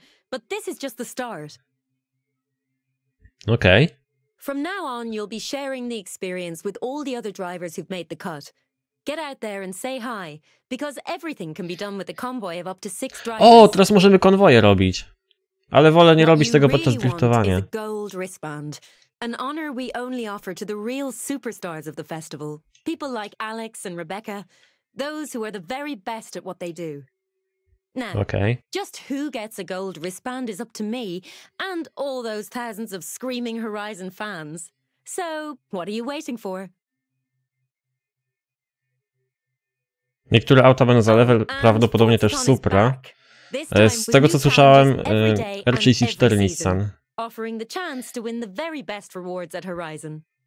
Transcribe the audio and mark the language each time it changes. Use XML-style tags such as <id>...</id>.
<en>But this is just the start. Okay. From now on, you'll be sharing the experience with all the other drivers who've made the cut. Get out there and say hi, because everything can be done with a convoy of up to 6 drivers.</en> <pl>O, teraz możemy konwoje robić. Ale wolę nie robić tego podczas driftowania.</pl> <en>A gold wristband, an honor we only offer to the real superstars of the festival. People like Alex and Rebecca, those who are the very best at what they do. Now, okay. Just who gets a gold wristband is up to me and all those thousands of screaming Horizon fans. So, what are you waiting for?</en> <pl>Niektóre auta będą za level, prawdopodobnie też Supra. Z tego co słyszałem, R34 Nissan.</pl> <en>Offering the chance to win the very best rewards at Horizon.</en>